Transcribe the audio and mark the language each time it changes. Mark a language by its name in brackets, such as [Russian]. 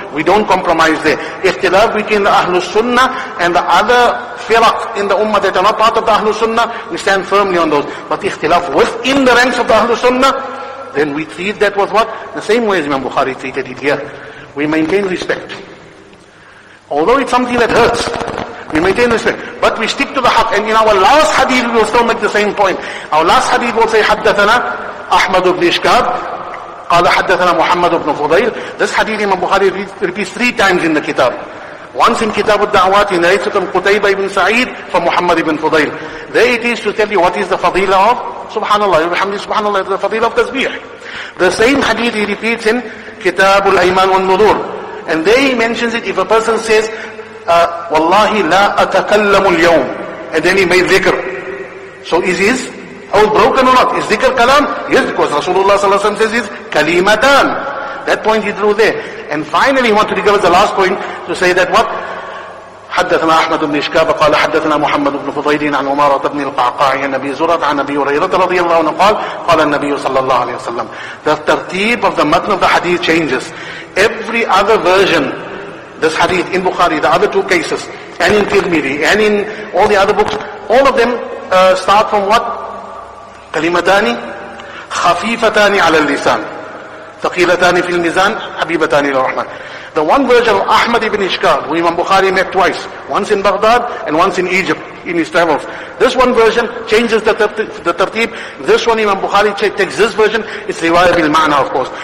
[English] We don't compromise there. Ikhtilaf between the Ahlul Sunnah and the other firaq in the ummah that are not part of the Ahlul Sunnah, we stand firmly on those. But ikhtilaf within the ranks of the Ahlul Sunnah, then we treat that with what? The same way as Imam Bukhari treated it here. We maintain respect. Although it's something that hurts, We maintain respect. But we stick to the haq. And in our last hadith, we will still make the same point. Our last hadith will say, [Arabic] حَدَّثَنَا أَحْمَدُ بْنِ إِشْكَابِ قَالَ حَدَّثَنَا مُحَمَّدُ بْنُ فُضَيْلِ. [English] This hadith Imam Bukhari repeats three times in the kitab. Once in Kitab al-Da'wat, he narrates from Qutaybah ibn Sa'id from Muhammad ibn Fudayl. There it is to tell you what is the fadila of Subhanallah, alhamdulillah, Subhanallah, the fadila of Tasbih. The same hadith he repeats in Kitab al-Iman wal-Nudur. And there he mentions it, if a person says, [Arabic] Wallahi la atakallamu al-yawm. [English] And then he made dhikr. So is his oath broken or not? Is dhikr kalam? Yes, because Rasulullah sallallahu alayhi wa sallam says, kalimatan. That point he drew there. And finally, he wanted to give us the last point to say that what? [Arabic] حدثنا أحمد بن إشكاب قال حدثنا محمد بن فضيل عن عمارة بن القعقاع النبي زرعة عن أبي هريرة رضي الله عنه قال قال النبي صلى الله عليه وسلم. The tertib of the matn of the hadith changes. Every other version, this hadith in Bukhari, the other two cases, and in Tirmidhi, and in all the other books, all of them start from what? كلمتان خفيفتان على اللسان. ثقيلتان في الميزان حبيبتان للرحمن. [English] The one version of Ahmad ibn Ishkar, who Imam Bukhari met twice, once in Baghdad and once in Egypt in his travels. This one version changes the tartib. This one Imam Bukhari takes this version, it's riwayah bil ma'na of course.